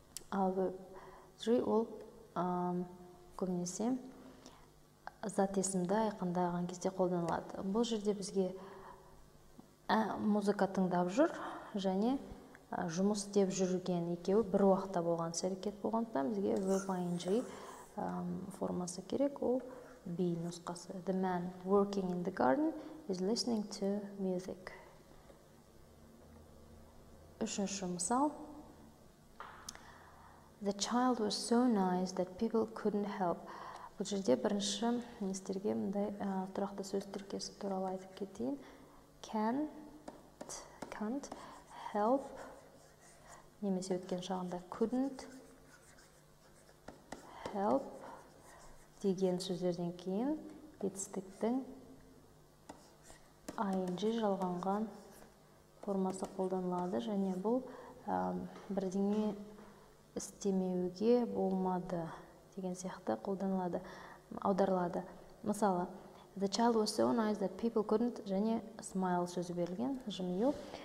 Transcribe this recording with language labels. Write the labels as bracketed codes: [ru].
[kk] Ал verb 3 ол көбінесе зат есімді айқындаған кезде қолданылады. Бұл жерде бізге музыка тыңдап жүр және жұмыс істеп жүрген екеуі бір уақытта болған іс-әрекет болғандықтан бізге verb ing формасы керек. Ол be нұсқасы. [en] The man working in the garden is listening to music. [kk] Үшінші мысал. [en] The child was so nice that people couldn't help. [kk] Бұл жерде бірінші нестерге мындай тұрақты сөз тіркесі туралы айтып кетейін. Can't help, немесе өткен шағында couldn't help деген сөздерден кейін етістіктің ing жалғанған формасы қолданылады және бұл бірдеңе істемеуге болмады деген сияқты қолданылады, аударылады. Мысалы, [en] the child was so nice that people couldn't, [kk] және [en] smile [kk] сөзі берілген, жымию.